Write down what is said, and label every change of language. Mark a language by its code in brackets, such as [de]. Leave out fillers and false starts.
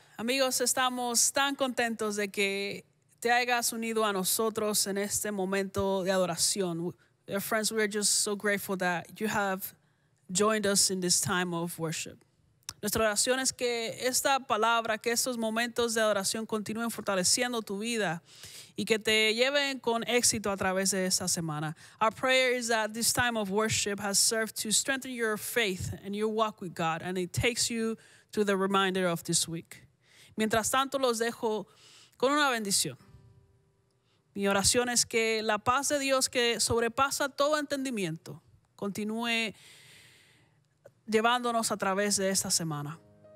[es] Amigos, estamos tan contentos de que te hayas unido a nosotros en este momento de adoración. [en] Dear friends, we are just so grateful that you have joined us in this time of worship. [es] Nuestra oración es que esta palabra, que estos momentos de adoración continúen fortaleciendo tu vida y que te lleven con éxito a través de esta semana. [en] Our prayer is that this time of worship has served to strengthen your faith and your walk with God, and it takes you to the reminder of this week. [es] Mientras tanto, los dejo con una bendición. Mi oración es que la paz de Dios, que sobrepasa todo entendimiento, continúe llevándonos a través de esta semana, y que el amor y la gracia de Dios llene sus vidas y la mía.